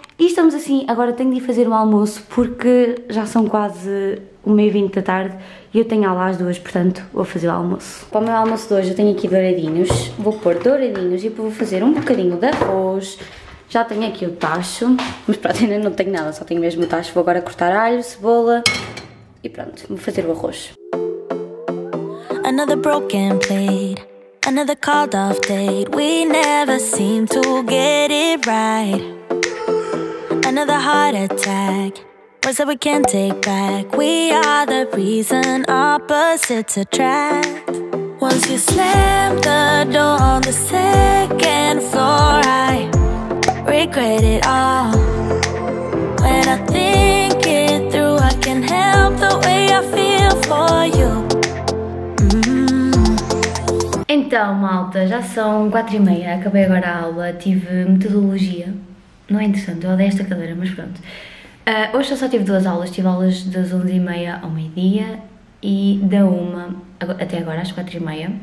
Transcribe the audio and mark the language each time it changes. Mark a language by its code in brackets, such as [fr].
[pt] E estamos assim, agora tenho de ir fazer um almoço porque já são quase 1h20 da tarde e eu tenho aula às 2, portanto vou fazer o almoço. Para o meu almoço de hoje eu tenho aqui douradinhos, vou pôr douradinhos e vou fazer um bocadinho de arroz. Já tenho aqui o tacho, mas pronto, ainda não tenho nada, só tenho mesmo o tacho. Vou agora cortar alho, cebola e pronto, vou fazer o arroz. [en] Another broken plate, another called off date. We never seem to get it right. Another heart attack, words that we can't take back. We are the reason opposites attract. Once you slam the door on the second floor, I regret it all. When I think it through, I can't help the way I feel for you. [pt] Então, malta, já são 4h30, acabei agora a aula, tive metodologia. Não é interessante, eu odeio esta cadeira, mas pronto. Hoje eu só tive duas aulas, tive aulas das 11h30 ao meio-dia e da 1h até agora, às 4h30.